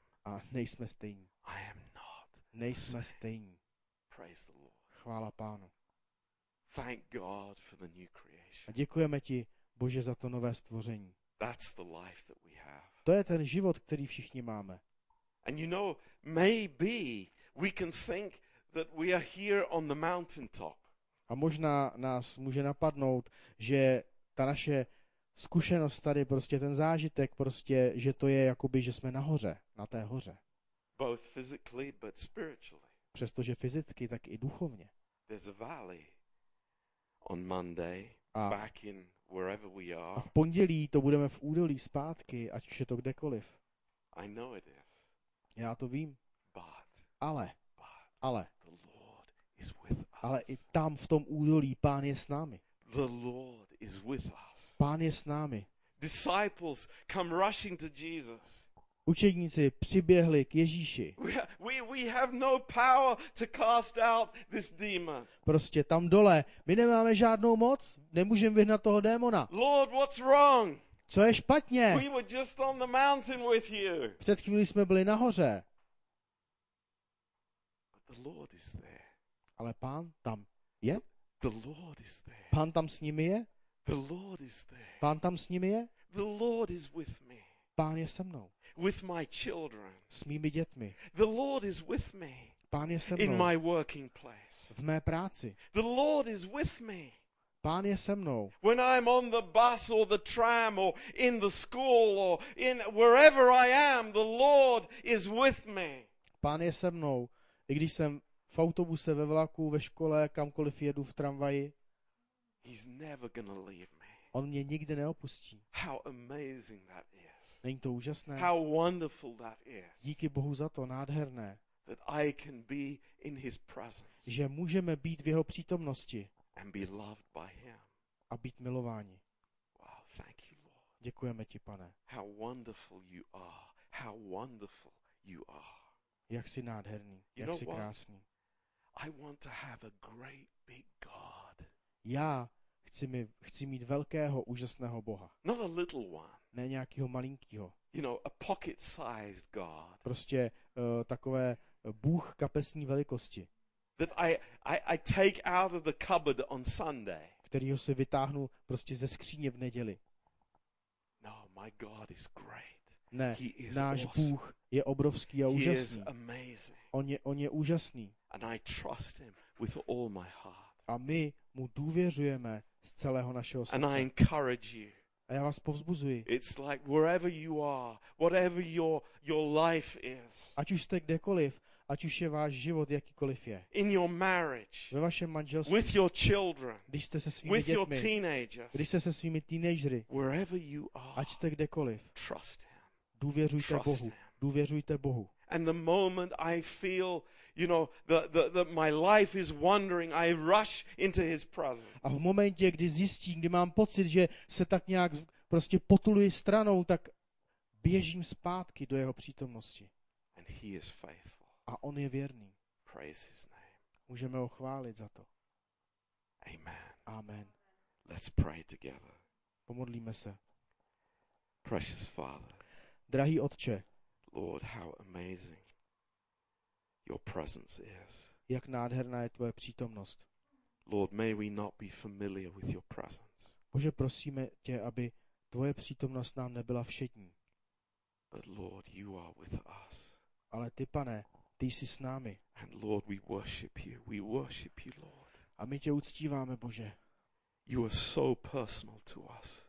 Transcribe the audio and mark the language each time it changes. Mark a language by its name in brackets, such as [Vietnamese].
[Czech] A nejsme stejní. [English] I am not. [Czech] Nejsme stejní. [English] Praise the Lord. [Czech] Chvála Pánu. [English] Thank God for the new creation. [Czech] A děkujeme ti, Bože, za to nové stvoření. [English] That's the life that we have. [Czech] To je ten život, který všichni máme. [English] And you know, maybe we can think that we are here on the mountaintop. [Czech] A možná nás může napadnout, že ta naše zkušenost tady, prostě ten zážitek, prostě, že to je jakoby, že jsme nahoře, na té hoře. [English] Both physically, but spiritually. [Czech] Přestože fyzicky, tak i duchovně. [English] There's a valley on Monday, back in wherever we are. [Czech] A v pondělí to budeme v údolí zpátky, ať už je to kdekoliv. [English] I know it is. [Czech] Já to vím. [English] But, [Czech] ale [English] the Lord is with us. [Czech] Ale i tam v tom údolí Pán je s námi. [English] The Lord is with us. [Czech] Pán je s námi. [English] Disciples come rushing to Jesus. [Czech] Učedníci přiběhli k Ježíši. [English] We have no power to cast out this demon. [Czech] Prostě tam dole, my nemáme žádnou moc, nemůžeme vyhnat toho démona. [English] Lord, what's wrong? [Czech] Co je špatně? [English] We were just on the mountain with you. [Czech] Před chvíli jsme byli nahoře. [English] But the Lord is there. [Czech] Ale Pán tam je? [English] The Lord is there. [Czech] Pán tam s nimi je? [English] The Lord is there. [Czech] Pán tam s nimi je? [English] The Lord is with me. [Czech] Pán je se mnou. [English] With my children. [Czech] S mými dětmi. [English] The Lord is with me. [Czech] Pán je se mnou. [English] In my working place. [Czech] V mé práci. [English] The Lord is with me. [Czech] Pán je se mnou. [English] When I'm on the bus or the tram or in the school or in wherever I am, the Lord is with me. [Czech] Pán je se mnou, i když jsem v autobuse, ve vlaku, ve škole, kamkoliv jedu, v tramvaji. [English] He's never gonna leave me. [Czech] On mě nikdy neopustí. [English] How amazing that is. [Czech] Není to úžasné? [English] How wonderful that is. [Czech] Díky Bohu za to, nádherné. [English] That I can be in his presence. [Czech] Že můžeme být v jeho přítomnosti. [English] And be loved by him. [Czech] A být milováni. [English] Wow, thank you, Lord. [Czech] Děkujeme ti, Pane. [English] How wonderful you are. How wonderful you are. [Czech] Jak jsi nádherný, jak jsi krásný. [English] I want to have a great big God. [Czech] Já chci mít velkého, úžasného Boha. [English] Not a little one. [Czech] Ne nějakého malinkého. [English] You know, a pocket-sized God. [Czech] Prostě takové Bůh kapesní velikosti. [English] That I take out of the cupboard on Sunday. [Czech] Kterýho si vytáhnu prostě ze skříně v neděli. [English] No, my God is great. [Czech] Ne, náš [English] awesome. [Czech] Bůh je obrovský a [English] he [Czech] úžasný. [English] Is [Czech] on je úžasný. [English] And I trust him with all my heart. [Czech] A my mu důvěřujeme z celého našeho srdce. [English] And I encourage you. [Czech] A já vás povzbuzuji. [English] It's like wherever you are, whatever your life is. [Czech] Ať už jste kdekoliv, ať už je váš život jakýkoliv je. [English] In your marriage. [Czech] Ve vašem manželství. [English] With your children. [Czech] Když jste se svými [English] with [Czech] dětmi. [English] Your teenagers. [Czech] Když jste se svými teenagery. [English] Wherever you are. [Czech] Ať jste kdekoliv. [English] Trust him. [Czech] Důvěřujte Bohu. Důvěřujte Bohu. [English] And the moment I feel, you know, that my life is wandering, I rush into his presence. [Czech] A v momentě, kdy zjistím, kdy mám pocit, že se tak nějak prostě potuluji stranou, tak běžím zpátky do jeho přítomnosti. [English] And he is faithful. [Czech] A on je věrný. [English] Praise his name. [Czech] Můžeme ho chválit za to. [English] Amen. [Czech] Amen. [English] Let's pray together. [Czech] Pomodlíme se. [English] Precious Father. [Czech] Drahý Otče, [English] Lord, how amazing your presence is. [Czech] Jak nádherná je tvoje přítomnost. [English] Lord, may we not be familiar with your presence. [Czech] Bože, prosíme tě, aby tvoje přítomnost nám nebyla všední. [English] But Lord, you are with us. [Czech] Ale ty, Pane, ty jsi s námi. [English] And Lord, we worship you. We worship you, Lord. [Czech] A my tě uctíváme, Bože. [English] You are so personal to us.